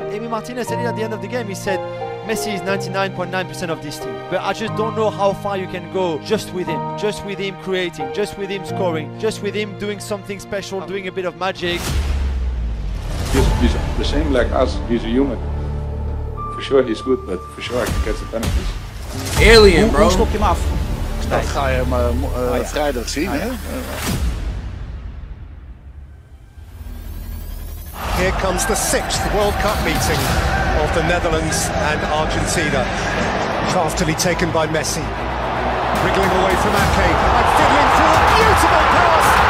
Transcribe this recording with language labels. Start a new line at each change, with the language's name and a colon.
English: And Amy Martinez said it at the end of the game. He said, Messi is 99.9% of this team, but I just don't know how far you can go just with him creating, just with him scoring, just with him doing something special, doing a bit of magic. He's the same like us, he's a human. For sure he's good, but for sure I can catch the penalties. Alien, bro.
Dutch: Hoe stop je hem af? Dat ga je hem vrijdag zien, hè?
English: Here comes the sixth World Cup meeting of the Netherlands and Argentina. Craftily taken by Messi. Wriggling away from Ake and fiddling through a beautiful pass.